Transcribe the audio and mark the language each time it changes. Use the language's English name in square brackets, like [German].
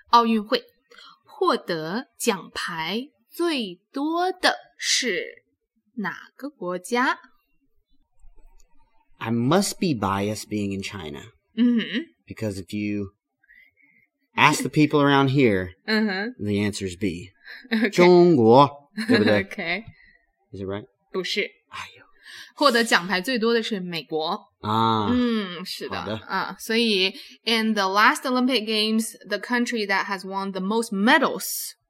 [Chinese] 奥运会, 获得奖牌最多的是哪个国家? [English] I must be biased being in China. Mm-hmm. Because if you ask the people around here, mm-hmm. the answer is B. Okay. [Chinese] 中国,对不对? [English] Okay. Is it right? [Chinese] 不是。哎呦。获得奖牌最多的是美国。是的。 [English] In the last Olympic Games, the country that has won the most medals,